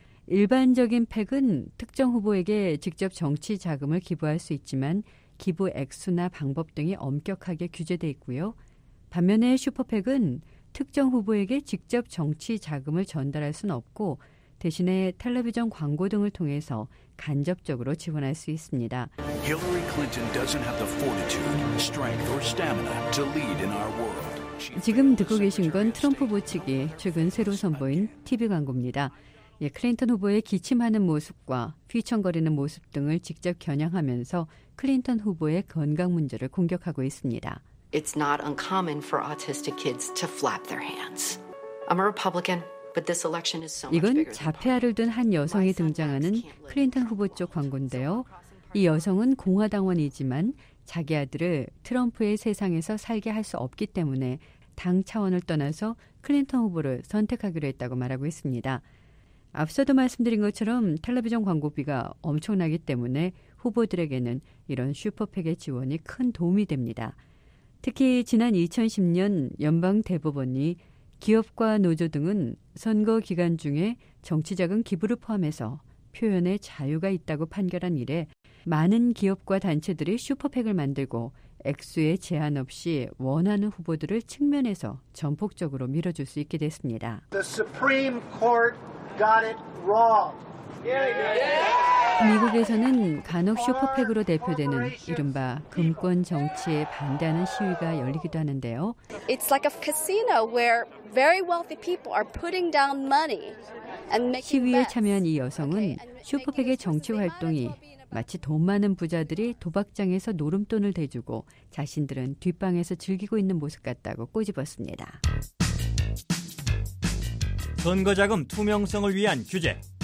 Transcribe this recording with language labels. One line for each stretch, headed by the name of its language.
Korean: 일반적인 팩은 특정 후보에게 직접 정치 자금을 기부할 수 있지만 기부 액수나 방법 등이 엄격하게 규제돼 있고요. 반면에 슈퍼팩은 특정 후보에게 직접 정치 자금을 전달할 수는 없고 대신에 텔레비전 광고 등을 통해서 간접적으로 지원할 수 있습니다.
English: Hillary Clinton doesn't have the fortitude, strength or stamina to lead in our world.
Korean: 지금 듣고 계신 건 트럼프 후보 측이 최근 새로 선보인 TV 광고입니다. 예, 클린턴 후보의 기침하는 모습과 휘청거리는 모습 등을 직접 겨냥하면서 클린턴 후보의 건강 문제를 공격하고 있습니다.
English: It's not uncommon for autistic kids to flap their hands. I'm a Republican, but this election is so much bigger.
Korean: 이건 자폐아를 둔 한 여성이 등장하는 클린턴 후보 쪽 광고인데요. 이 여성은 공화당원이지만 자기 아들을 트럼프의 세상에서 살게 할 수 없기 때문에 당 차원을 떠나서 클린턴 후보를 선택하기로 했다고 말하고 있습니다. 앞서도 말씀드린 것처럼 텔레비전 광고비가 엄청나기 때문에 후보들에게는 이런 슈퍼팩의 지원이 큰 도움이 됩니다. 특히 지난 2010년 연방대법원이 기업과 노조 등은 선거 기간 중에 정치자금 기부를 포함해서 표현의 자유가 있다고 판결한 이래 많은 기업과 단체들이 슈퍼팩을 만들고 액수에 제한 없이 원하는 후보들을 측면에서 전폭적으로 밀어줄 수 있게 됐습니다.
English: The Supreme Court got it wrong. Yeah, yeah, yeah.
Korean: 미국에서는 간혹 슈퍼팩으로 대표되는 이른바 금권 정치에 반대하는 시위가 열리기도 하는데요.
English: It's like a casino where very wealthy people are putting down money and making bets.
Korean: 시위에 참여한 이 여성은 슈퍼팩의 정치 활동이 마치 돈 많은 부자들이 도박장에서 노름돈을 대주고 자신들은 뒷방에서 즐기고 있는 모습 같다고 꼬집었습니다. 선거자금 투명성을 위한 규제.